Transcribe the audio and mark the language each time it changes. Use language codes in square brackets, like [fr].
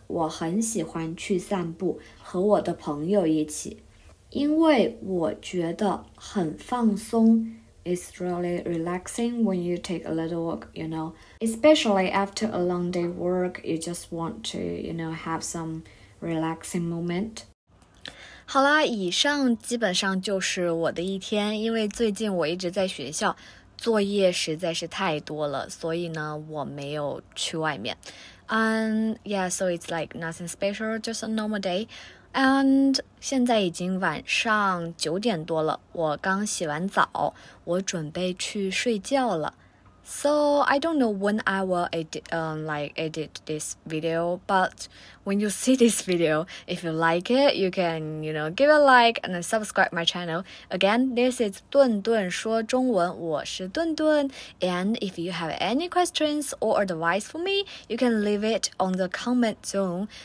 [zh] 我很喜欢去散步和我的朋友一起。因为我觉得很放松。 [en] It's really relaxing when you take a little walk, you know. Especially after a long day work, you just want to, you know, have some relaxing moment. [zh] 好啦，以上基本上就是我的一天。因为最近我一直在学校，作业实在是太多了，所以呢，我没有去外面。 [en] Yeah, so it's like nothing special, just a normal day. [zh] And 现在已经晚上九点多了，我刚洗完澡，我准备去睡觉了。 [en] So I don't know when I will edit this video, but when you see this video, if you like it, you can, you know, give a like and subscribe my channel. Again, this is [zh] 顿顿说中文，我是顿顿。 [en] And if you have any questions or advice for me, you can leave it on the comment zone.